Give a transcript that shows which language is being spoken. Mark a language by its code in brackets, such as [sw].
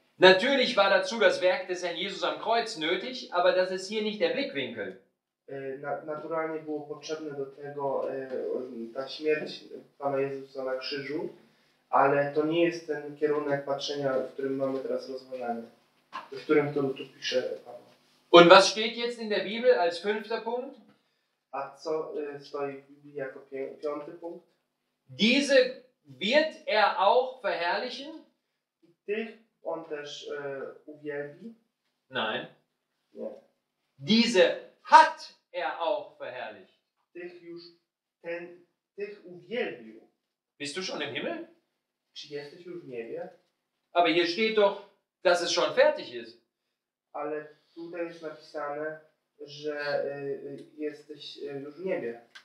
[de] Natürlich war dazu das Werk des Herrn Jesus am Kreuz nötig, aber das ist hier nicht der Blickwinkel. [pl] Naturalnie było potrzebne do tego ta śmierć Pana Jezusa na krzyżu, ale to nie jest ten kierunek patrzenia, w którym mamy teraz rozważanie, w którym to tu pisze Pan. [de] Und was steht jetzt in der Bibel als fünfter Punkt? [pl] A co stoi w Biblii jako piąty punkt? [de] Diese wird er auch verherrlichen? [pl] I tych on też uwielbi? [de] Nein. [pl] Nie. [de] Diese hat er auch verherrlicht? [pl] Tych już, ten, tych uwielbił. [de] Bist du schon im Himmel? [pl] Czy jesteś już w niebie? [de] Aber hier steht doch, dass es schon fertig ist. [pl] Ale tutaj jest napisane, że jesteś już w niebie.